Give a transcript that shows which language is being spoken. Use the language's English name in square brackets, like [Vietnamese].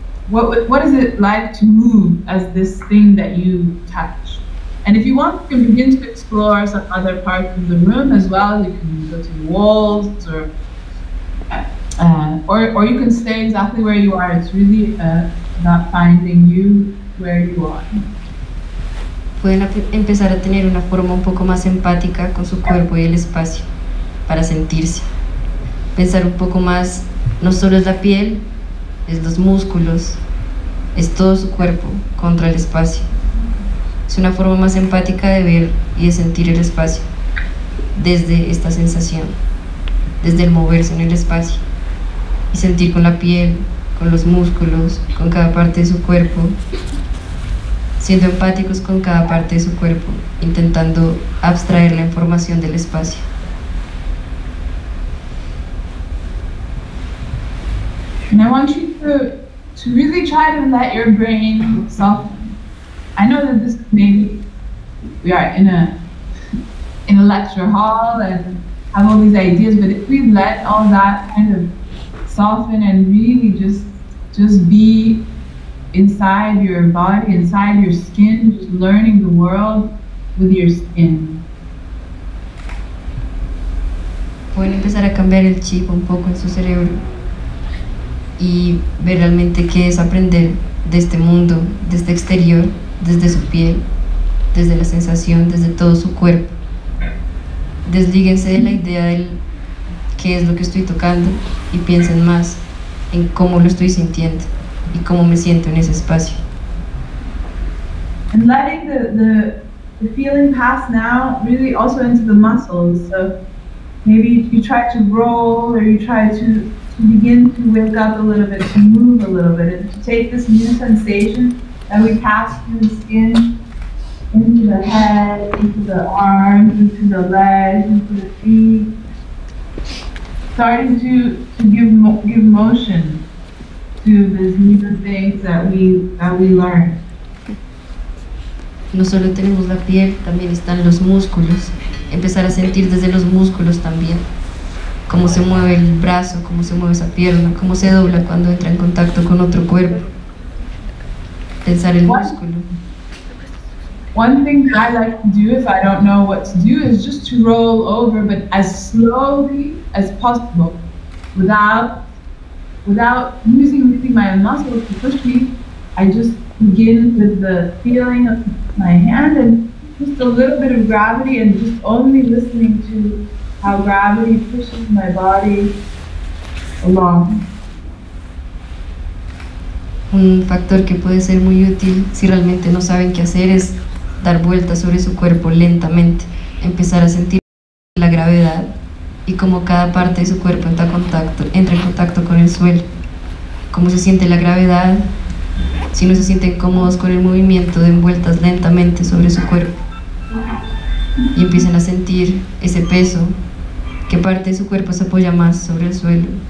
[English] What is it like to move as this thing that you touch? And if you want, you can begin to explore some other parts of the room as well. You can go to the walls, or you can stay exactly where you are. It's really about finding you where you are. [Spanish] Pueden empezar a tener una forma un poco más empática con su cuerpo y el espacio para sentirse. Pensar un poco más, no solo es la piel, es los músculos, es todo su cuerpo contra el espacio. Es una forma más empática de ver y de sentir el espacio desde esta sensación, desde el moverse en el espacio y sentir con la piel, con los músculos, con cada parte de su cuerpo, siendo empáticos con cada parte de su cuerpo, intentando abstraer la información del espacio. [English] And I want you to really try to let your brain soften. I know that this maybe we are in a lecture hall and have all these ideas, but if we let all that kind of soften and really just be inside your body, inside your skin, just learning the world with your skin. [Spanish] Pueden empezar a cambiar el chip un poco en su cerebro y ver realmente qué es aprender de este mundo, de este exterior, desde su piel, desde la sensación, desde todo su cuerpo. Deslíguense de la idea de qué es lo que estoy tocando y piensen más en cómo lo estoy sintiendo y cómo me siento en ese espacio. [English] And letting the feeling pass now really also into the muscles. So maybe you try to roll or you try to begin to wake up a little bit, to move a little bit, and to take this new sensation that we pass through the skin into the head, into the arms, into the legs, into the feet, starting to give motion to these new things that we learn. [Spanish] No solo tenemos la piel, también están los músculos. Empezar a sentir desde los músculos también. Cómo se mueve el brazo, cómo se mueve esa pierna, cómo se dobla cuando entra en contacto con otro cuerpo. Pensar el músculo. [English] One thing that I like to do if I don't know what to do is just to roll over, but as slowly as possible, without using really my muscles to push me. I just begin with the feeling of my hand and just a little bit of gravity and just only listening to how gravity pushes my body along. [Spanish] Un factor que puede ser muy útil si realmente no saben qué hacer es dar vueltas sobre su cuerpo lentamente, empezar a sentir la gravedad y cómo cada parte de su cuerpo entra en contacto con el suelo. Cómo se siente la gravedad, si no se sienten cómodos con el movimiento, den vueltas lentamente sobre su cuerpo y empiecen a sentir ese peso, qué parte de su cuerpo se apoya más sobre el suelo.